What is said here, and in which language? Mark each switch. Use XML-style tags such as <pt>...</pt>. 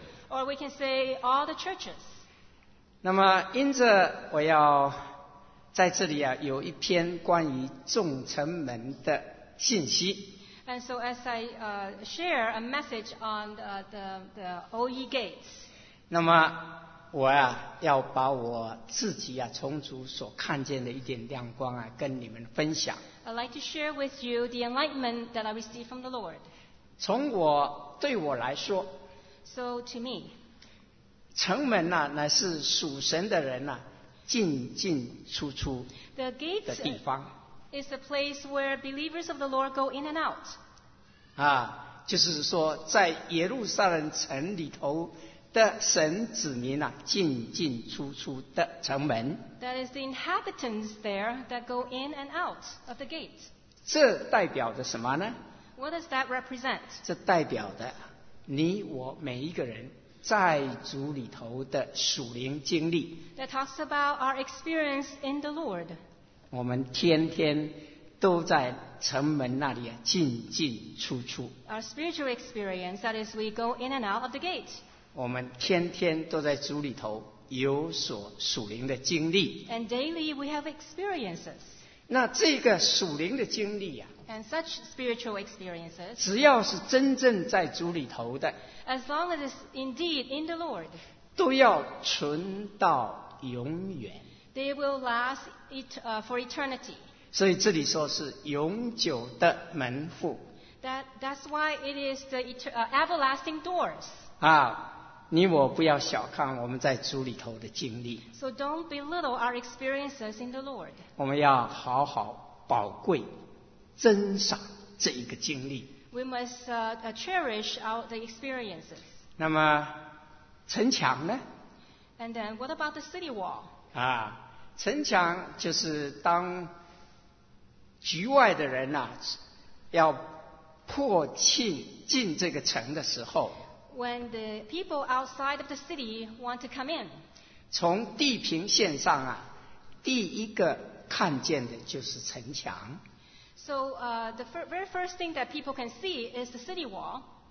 <en>Or we can say all the churches.</en> <zh>那么因着我要在这里、啊、有一篇关于众城门的信息。</zh> <en>And so as I share a message on the OE gates.</en> <zh>那么我啊，要把我自己啊，从主所看见的一点亮光啊，跟你们分享。</zh> <en>I'd like to share with you the enlightenment that I received from the Lord.</en> <zh>从我对我来说</zh> <en>，So to me，</en> <zh>城门呐、啊，乃是属神的人呐、啊，进进出出的地方。</zh> <en>The gates is a place where believers of the Lord go in and out.</en> <zh>啊，就是说，在耶路撒冷城里头。的神子民啊，进进出出的城门。</zh> <en>That is the inhabitants there that go in and out of the gate.</en> <zh>这代表着什么呢</zh> <en>？What does that represent?</en> <zh>这代表的你我每一个人在主里头的属灵经历。</zh> <en>That talks about our experience in the Lord.</en> <zh>我们天天都在城门那里啊，进进出出。</zh> <en>Our spiritual experience, that is, we go in and out of the gate.</en> <zh>我们天天都在主里头有所属灵的经历。</zh> <en>And daily we have experiences.</en> <zh>那这个属灵的经历啊</zh> <en>，And such spiritual experiences.</en> <zh>只要是真正在主里头的</zh> <en>，As long as it's indeed in the Lord.</en> <zh>都要存到永远。</zh> <en>They will last it for eternity.</en> <zh>所以这里说是永久的门户。</zh> <en>That's why it is the everlasting doors. 啊。</en> <zh>你我不要小看我们在主里头的经历。</zh> <en>So don't belittle our experiences in the Lord.</en> <zh>我们要好好宝贵、珍赏这一个经历。</zh> <en>We must cherish out the experiences.</en> <zh>那么城墙呢</zh> <en>？And then what about the city wall?</en> <zh>啊，城墙就是当局外的人呐、啊，要破庆进这个城的时候。</zh> <en>When the people outside of the city want to come in,</en> <zh>从地平线上啊，第一个看见的就是城墙。</zh> <en>So, the very first thing that people can see is the city wall.</en>